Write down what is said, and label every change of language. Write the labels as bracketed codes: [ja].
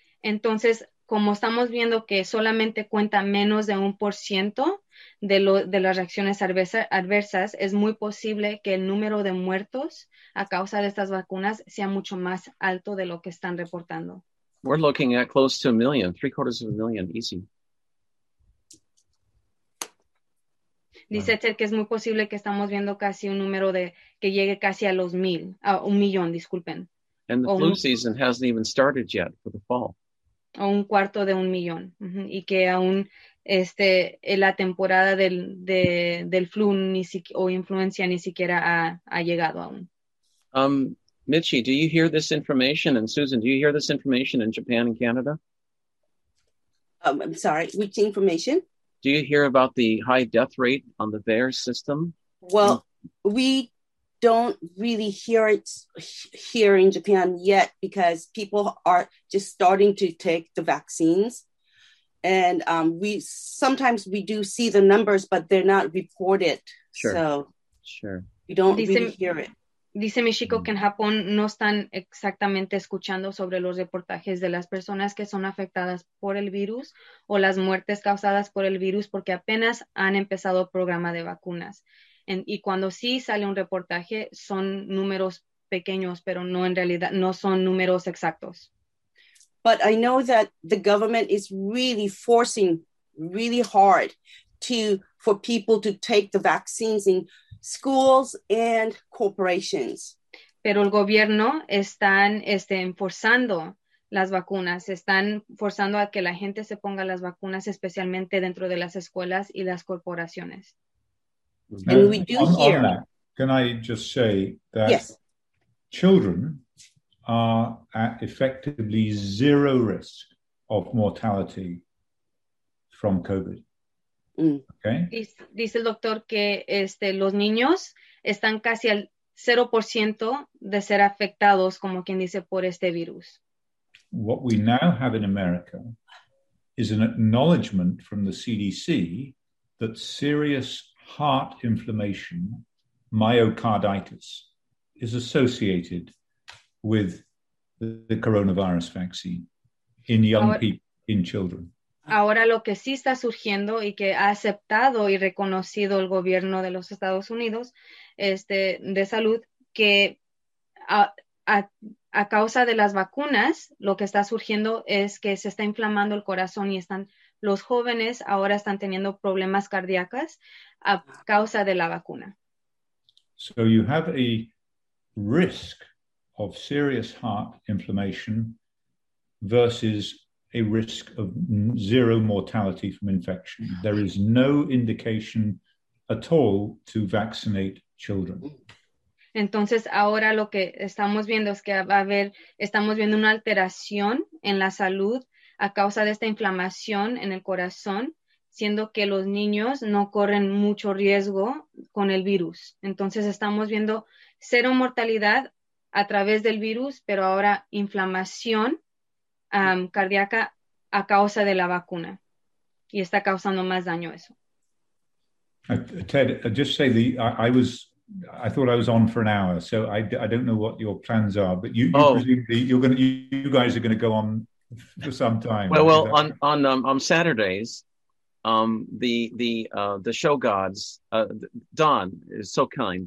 [es] Entonces, como estamos viendo que solamente cuenta menos de 1% de las reacciones adversas, es muy posible que el número de muertos a causa de estas vacunas sea mucho más alto de lo que están reportando. [en] We're looking at close to 1,000,000, 750,000, easy. [es] Dice Ted que es muy posible que estamos viendo casi un número de que llegue casi a los 1,000, a 1,000,000, disculpen. [en] And the flu season hasn't even started yet for the fall. [es] O un cuarto de 1,000,000. Uh-huh. Y que aún la temporada del flu o influenza ni siquiera ha llegado aún. [en] Michi, do you hear this information? And Susan, do you hear this information in Japan and Canada? I'm sorry, which information? Do you hear about the high death rate on the VAERS system? Well, we don't really hear it here in Japan yet because people are just starting to take the vaccines. And we sometimes do see the numbers, but they're not reported. Sure. We don't really hear it. [es] Dice Michiko que en Japón no están exactamente escuchando sobre los reportajes de las personas que son afectadas por el virus o las muertes causadas por el virus porque apenas han empezado el programa de vacunas. Y cuando sí sale un reportaje, son números pequeños, pero no en realidad, no son números exactos. [en] But I know that the government is really forcing really hard for people to take the vaccines in schools and corporations. [es] Pero el gobierno están forzando las vacunas. Se están forzando a que la gente se ponga las vacunas, especialmente dentro de las escuelas y las corporaciones. [en] And we do hear. On that, can I just say that yes. Children are at effectively zero risk of mortality from COVID? Okay. [es] Dice el doctor que los niños están casi al 0% de ser afectados, como quien dice, por este virus. [en] What we now have in America is an acknowledgement from the CDC that serious heart inflammation, myocarditis, is associated with the coronavirus vaccine in young people, in children. [es] Ahora lo que sí está surgiendo y que ha aceptado y reconocido el gobierno de los Estados Unidos de salud, que a causa de las vacunas, lo que está surgiendo es que se está inflamando el corazón y están los jóvenes ahora están teniendo problemas cardíacos a causa de la vacuna. [en] So you have a risk of serious heart inflammation versus a risk of zero mortality from infection. There is no indication at all to vaccinate children. [es] Entonces, ahora lo que estamos viendo es que va a haber, estamos viendo una alteración en la salud a causa de esta inflamación en el corazón, siendo que los niños no corren mucho riesgo con el virus. Entonces, estamos viendo cero mortalidad a través del virus, pero ahora inflamación cardíaca a causa de la vacuna. Y está causando más daño eso. [en] Ted, just say I thought I was on for an hour, so I don't know what your plans are, but you guys are going to go on for some time. Well, on Saturdays, the show gods, Don is so kind.